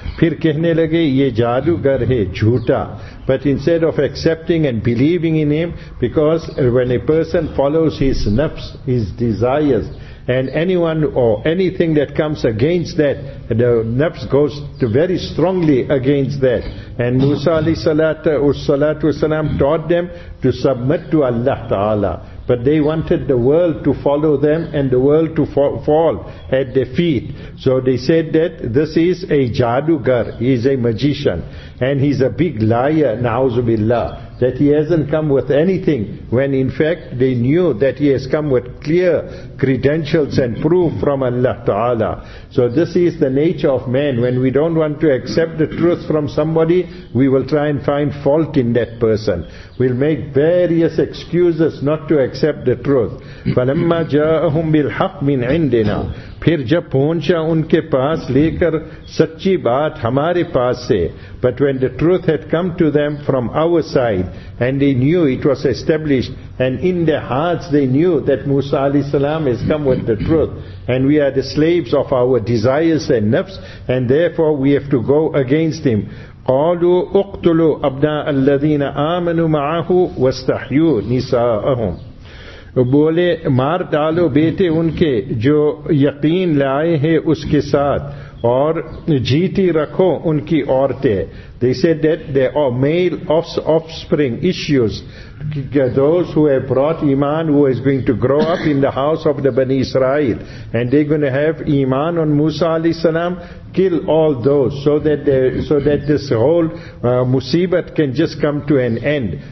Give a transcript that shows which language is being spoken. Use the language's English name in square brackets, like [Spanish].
[Urdu] پھر کہنے لگے یہ جادوگر ہے جھوٹا. [English] But instead of accepting and believing in him, because when a person follows his nafs, his desires, and anyone or anything that comes against that, the nafs goes very strongly against that. And Musa alayhi salatu wasalam taught them to submit to Allah Ta'ala. But they wanted the world to follow them and the world to fall at their feet. So they said that this is a jadugar, he is a magician. And he's a big liar, na'uzubillah. that he hasn't come with anything, when in fact they knew that he has come with clear credentials and proof from Allah Ta'ala. So this is the nature of man. When we don't want to accept the truth from somebody, we will try and find fault in that person. We'll make various excuses not to accept the truth. [Arabic] فَلَمَّا جَاءَهُمْ بِالْحَقِّ مِنْ عِنْدِنَا [Urdu] پھر جب پہنچا ان کے پاس لے کر سچی بات ہمارے پاس سے. [English] But when the truth had come to them from our side, and they knew it was established, and in their hearts they knew that Musa alayhi salam has come with the truth, and we are the slaves of our desires and nafs, and therefore we have to go against him. [Arabic] قَالُوا اُقْتُلُوا أَبْنَاءَ الَّذِينَ آمَنُوا مَعَهُ وَاسْتَحْيُوا نِسَاءَهُمْ. [Urdu] بولے مار ڈالو بیٹے ان کے جو یقین لائے ہیں اس کے ساتھ اور جیتی رکھو ان کی عورتیں. [English] They said that their male offspring issues, those who have brought Iman, who is going to grow up in the house of the Bani Israel, and they're going to have Iman on Musa alayhi salam, kill all those so that this whole musibat can just come to an end.